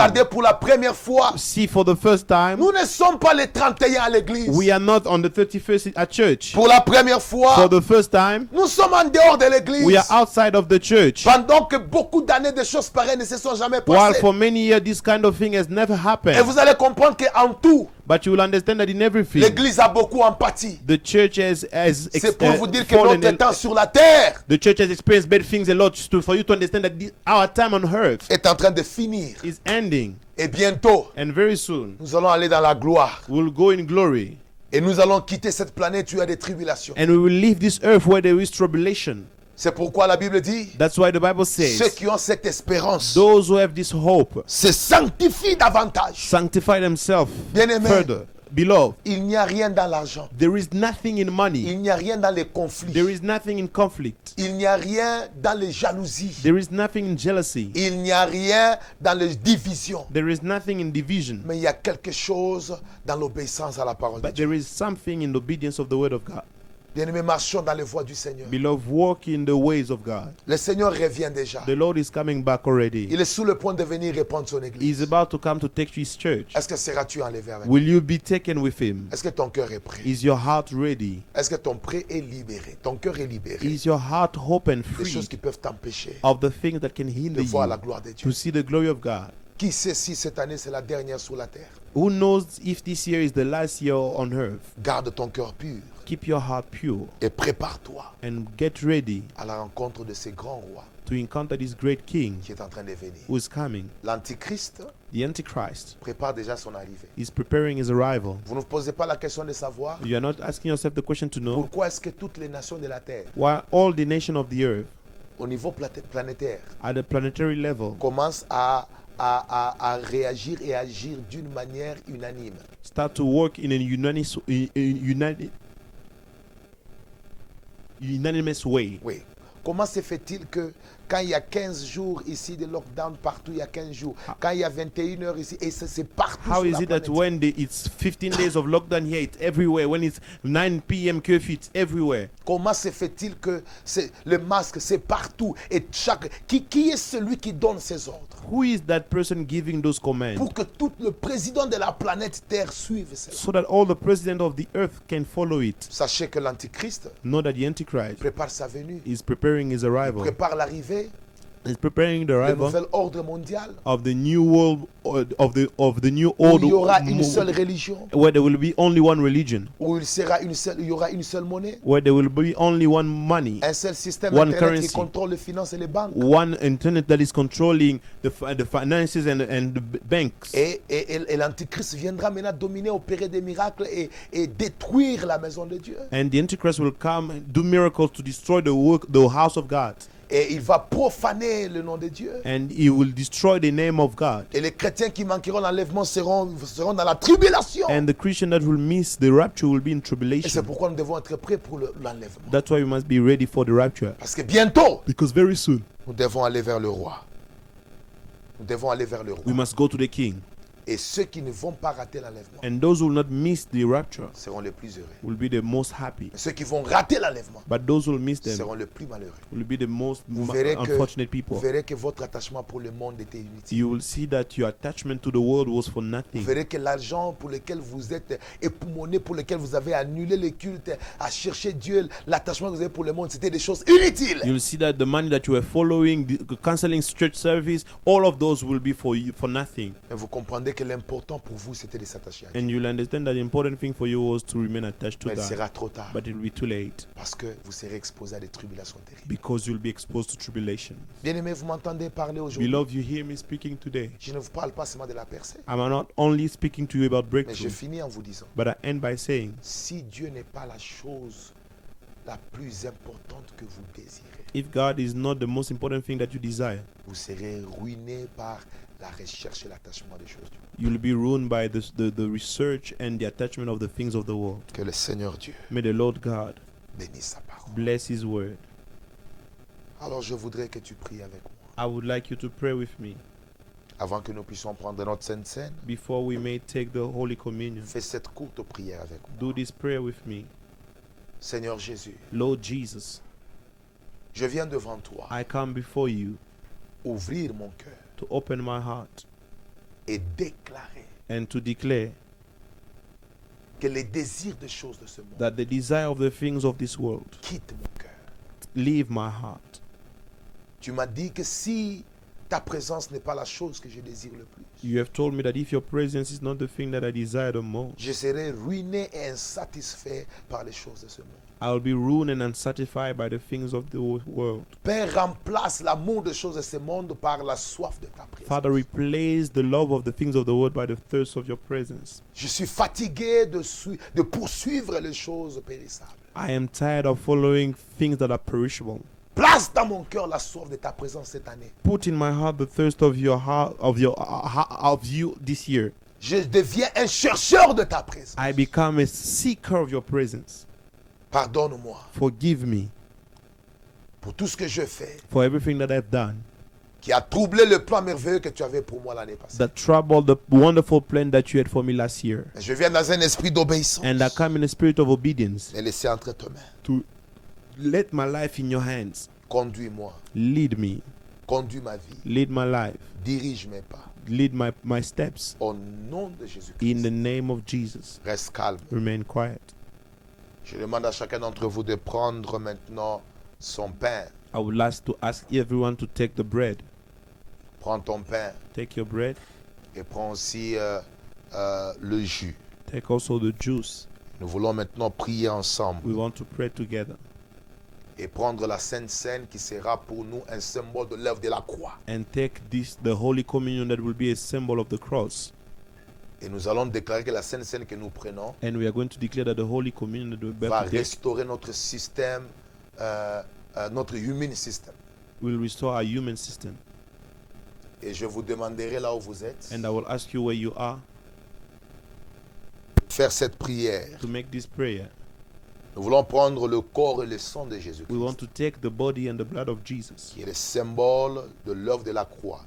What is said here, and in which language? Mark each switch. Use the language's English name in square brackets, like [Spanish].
[French] Regardez pour la première fois. [English] See for the first time. [French] Nous ne sommes pas les 31 à l'église. [English] We are not on the 31st at church. [French] Pour la première fois. [English] For the first time. [French] Nous sommes en dehors de l'église. [English] We are outside of the church. [French] Pendant que beaucoup d'années de choses pareilles ne se sont jamais passées. [English] While for many years this kind of thing has never happened. [French] Et vous allez comprendre que en tout, [English] but you will understand that in everything, [French] l'église a beaucoup empathy. [English] The church has [French] c'est pour vous dire que notre temps sur la terre, [English] the church has experienced bad things a lot, to, for you to understand that our time on earth [French] est en train de finir, [English] is ending, [French] et bientôt, [English] and very soon, [French] nous allons aller dans la gloire, [English] we'll go in glory, [French] et nous allons quitter cette planète où il y a des tribulations, [English] and we will leave this earth where there is tribulation. [French] C'est pourquoi la Bible dit, [English] that's why the Bible says, [French] ceux qui ont cette espérance, [English] those who have this hope, [French] se sanctifient davantage. [English] Sanctify themselves. [French] Bien-aimés, [English] further. Beloved, [French] il n'y a rien dans l'argent. [English] There is nothing in money. [French] Il n'y a rien dans les conflits. [English] There is nothing in conflict. [French] Il n'y a rien dans les jalousies. [English] There is nothing in jealousy. [French] Il n'y a rien dans les divisions. [English] There is nothing in division. [French] Mais il y a quelque chose dans l'obéissance à la parole [English] but But there is something in the obedience of the word of God. [French] Bien-aimés, marchons dans les voies du Seigneur. [English] Beloved, walk in the ways of God. [French] Le Seigneur revient déjà. [English] The Lord is coming back already. [French] Il est sous le point de venir répondre son église. [English] He is about to come to take his church. [French] Est-ce que seras-tu enlevé avec lui? [English] Will you be taken with him? [French] Est-ce que ton cœur est prêt? [English] Is your heart ready? [French] Est-ce que ton prêt est libéré? Ton cœur est libéré? [English] Is your heart open free? [French] Des choses qui peuvent t'empêcher. [English] Of the things that can hinder [French] de voir la gloire de Dieu. [English] You to see the glory of God. [French] Qui sait si cette année c'est la dernière sur la terre? [English] Who knows if this year is the last year on earth? [French] Garde ton cœur pur. [English] Keep your heart pure. [French] Et prépare-toi. [English] And get ready. [French] À la rencontre de ces grands rois. [English] To encounter this great king. [French] Qui est en train de venir. [English] Who is coming. [French] L'Antichrist. [English] The Antichrist. [French] Prépare déjà son arrivée. [English] Is preparing his arrival. [French] Vous ne vous posez pas la question de savoir. [English] You are not asking yourself the question to know. [French] Pourquoi est-ce que toutes les nations de la terre. [English] Why all the nations of the earth. [French] Au niveau planétaire. [English] At the planetary level. [French] Commencent à réagir et agir d'une manière unanime. [English] Start to work in a unanimous way. [French] Oui. Comment se fait-il que quand il y a 15 jours ici de lockdown partout, il y a 15 jours. Quand il y a 21 heures ici, et c'est partout. [English] How is it that when it's 15 days of lockdown here, it's everywhere? When it's 9 p.m. curfew, it's everywhere. [French] Comment se fait-il que c'est le masque, c'est partout et chaque qui est celui qui donne ces ordres? [English] Who is that person giving those commands? [French] Pour que tout le président de la planète Terre suive ça. [English] So that all the president of the earth can follow it. [French] Sachez que l'Antichrist, [English] know that the Antichrist, [French] prépare sa venue. [English] Is preparing his arrival. [French] Il prépare l'arrivée. [English] Is preparing the arrival. [French] Le nouvel ordre mondial. [English] Of the new world, of the new old. [French] Où il y aura une seule religion. [English] Where there will be only one religion. [French] Où il sera une seule, il y aura une seule monnaie. [English] Where there will be only one money. [French] Un seul système internet [English] currency, [French] qui contrôle les finances et les banques. [English] One internet that is controlling the finances and the banks. [French] Et l'Antichrist viendra maintenant dominer, opérer des miracles et détruire la maison de Dieu. [English] And the Antichrist will come and do miracles to destroy the work, the house of God. [French] Et il va profaner le nom de Dieu. [English] And he will destroy the name of God. [French] Et les chrétiens qui manqueront l'enlèvement seront dans la tribulation. [English] And the Christian that will miss the rapture will be in tribulation. [French] Et c'est pourquoi nous devons être prêts pour l'enlèvement. [English] That's why we must be ready for the rapture. [French] Parce que bientôt. [English] Because very soon. [French] Nous devons aller vers le roi. Nous devons aller vers le roi. [English] We must go to the king. [French] Et ceux qui ne vont pas rater l'enlèvement. [English] And those who will not miss the rapture. [French] Seront les plus heureux. [English] Will be the most happy. [French] Et ceux qui vont rater l'enlèvement. [English] But those who will miss them. [French] Seront les plus malheureux. [English] Will be the most unfortunate people. [French] Vous verrez que votre attachement pour le monde était inutile. [English] You will see that your attachment to the world was for nothing. [French] Vous verrez que l'argent pour lequel vous êtes époumoné, pour lequel vous avez annulé les cultes, à chercher Dieu, l'attachement que vous avez pour le monde, c'était des choses inutiles. [English] You will see that the money that you were following, the canceling church service, all of those will be for you, for nothing. [French] Et vous comprenez que l'important pour vous c'était de s'attacher à Dieu. [English] And you'll understand that the important thing for you was to remain attached to [French] Mais [English] that. [French] Sera trop tard. [English] But it'll be too late. [French] Parce que vous serez exposé à des tribulations terribles. [English] Because you'll be exposed to tribulation. [French] Bien-aimé, vous m'entendez parler aujourd'hui. [English] Beloved, you hear me speaking today. [French] Je ne vous parle pas seulement de la percée. [English] I'm not only speaking to you about breakthrough. [French] Mais je finis en vous disant. [English] But I end by saying. [French] Si Dieu n'est pas la chose la plus importante que vous désirez. [English] If God is not the most important thing that you desire. [French] Vous serez ruiné par la recherche et l'attachement des choses. [English] You'll be ruined by the research and the attachment of the things of the world. [French] Que le Seigneur Dieu. [English] May the Lord God [French] bénisse sa parole. [English] Bless his word. [French] Alors je voudrais que tu pries avec moi. [English] I would like you to pray with me. [French] Avant que nous puissions prendre notre sainte cène. [English] Before we may take the holy communion. [French] Fais cette courte prière avec moi. [English] Do this prayer with me. [French] Seigneur Jésus. [English] Lord Jesus. [French] Je viens devant toi. [English] I come before you. [French] Ouvrir mon cœur. [English] To open my heart [French] et déclarer [English] and to declare [French] que les désirs des choses de ce monde [English] that the desire of the things of this world [French] quitte mon cœur. [English] Leave my heart. [French] Tu m'as dit que si ta présence n'est pas la chose que je désire le plus. [English] You have told me that if your presence is not the thing that I desire the most, [French] je serai ruiné et insatisfait par les choses de ce monde. [English] I will be ruined and unsatisfied by the things of the world. [French] Père, remplace l'amour des choses de ce monde par la soif de ta présence. [English] Father, replace the love of the things of the world by the thirst of your presence. [French] Je suis fatigué de poursuivre les choses périssables. [English] I am tired of following things that are perishable. [French] Place dans mon cœur la soif de ta présence cette année. [English] Put in my heart the thirst of your heart of your of you this year. [French] Je deviens un chercheur de ta présence. [English] I become a seeker of your presence. [French] Pardonne-moi. [English] Forgive me. [French] Pour tout ce que je fais. [English] For everything that I've done. [French] Qui a troublé le plan merveilleux que tu avais pour moi l'année passée. [English] That troubled the wonderful plan that you had for me last year. [French] Je viens dans un esprit d'obéissance. [English] And I come in a spirit of obedience. [French] Et laisser entre tes mains. [English] To let my life in your hands. [French] Conduis-moi. [English] Lead me. [French] Conduis ma vie. [English] Lead my life. [French] Dirige mes pas. [English] Lead my steps. [French] Au nom de Jésus-Christ. [English] In the name of Jesus. [French] Reste calme. [English] Remain quiet. [French] Je demande à chacun d'entre vous de prendre maintenant son pain. [English] I would like to ask everyone to take the bread. [French] Prends ton pain. [English] Take your bread. [French] Et prends aussi le jus. [English] Take also the juice. [French] Nous voulons maintenant prier ensemble. [English] We want to pray together. [French] Et prendre la sainte cène qui sera pour nous un symbole de l'œuvre de la croix. [English] And take this the holy communion that will be a symbol of the cross. [French] Et nous allons déclarer que la sainte cène que nous prenons. [English] And we are going to declare that the holy communion that we're about [French] va restaurer notre système, notre [English] human system. Will restore our human system. [French] Et je vous demanderai là où vous êtes. [English] And I will ask you where you are. [French] Faire cette prière. [English] To make this prayer. [French] Nous voulons prendre le corps et le sang de Jésus. [English] We want to take the body and the blood of Jesus. [French] Qui est le symbole de l'œuvre de la croix.